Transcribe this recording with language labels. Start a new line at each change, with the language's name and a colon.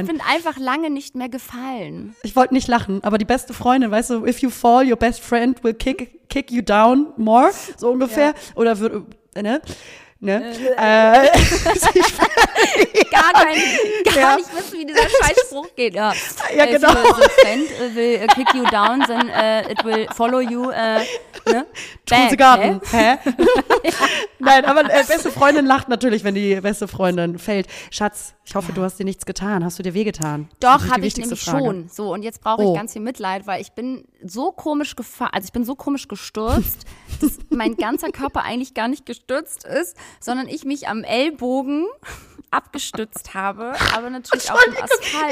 German: Ich bin einfach lange nicht mehr gefallen. Ich wollte nicht lachen, aber die beste Freundin, weißt du, if you fall, your best friend will kick you down more, so ungefähr. Ja. Oder wird, ne? Ne? gar nicht wissen, wie dieser scheiß Spruch geht. Ja, ja genau.
English: If your friend will kick you down, then it will follow you.
German: Tun sie Garten. Hä? Nein, aber beste Freundin lacht natürlich, wenn die beste Freundin fällt. Schatz, ich hoffe, du hast dir nichts getan. Hast du dir wehgetan? Doch, habe ich nämlich schon. So, und jetzt brauche ich ganz viel Mitleid, weil ich bin so komisch gefahren, also ich bin so komisch gestürzt, dass mein ganzer Körper eigentlich gar nicht gestürzt ist, sondern ich mich am Ellbogen abgestützt habe, aber natürlich auch im Asphalt.